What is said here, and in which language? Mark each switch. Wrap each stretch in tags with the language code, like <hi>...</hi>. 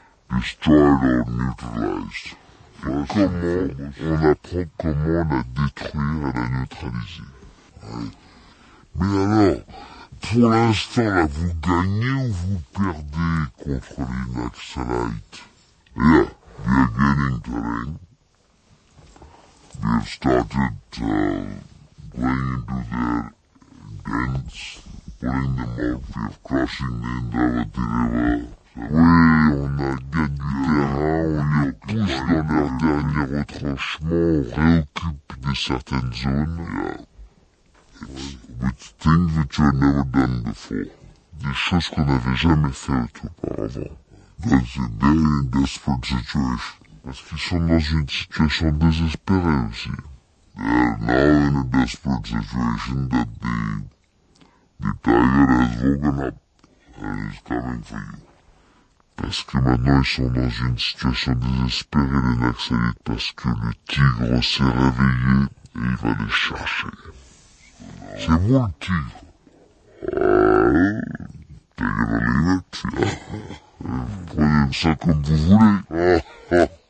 <en>How it is to be destroyed or neutralized.</en> <fr>Et comment on apprend comment la détruire et la neutraliser. Ouais. Mais alors, pour l'instant, là, vous gagnez ou vous perdez contre les Naxalites?</fr> <en>Yeah, we are getting to them. We have started going into their dens, pulling them out, we have crossing the Indravati River.</en> <fr>Oui, on a gagné du terrain, on les pousse dans leur dernier retranchement, on réoccupe de certaines zones.</fr> <en>Yeah. With things that you have never done before.</en> <fr>Des choses qu'on n'avait jamais faites auparavant.</fr> <en>That's a very desperate situation.</en> <fr>Parce qu'ils sont dans une situation désespérée aussi.</fr> <en>They are now in a desperate situation that the tiger has woken up and is coming for you.</en> <fr>Parce que maintenant ils sont dans une situation désespérée, les Naxalites, parce que le tigre s'est réveillé et il va les chercher. C'est moi le tigre. T'as une lunette, là. Vous prenez ça comme vous voulez.</fr>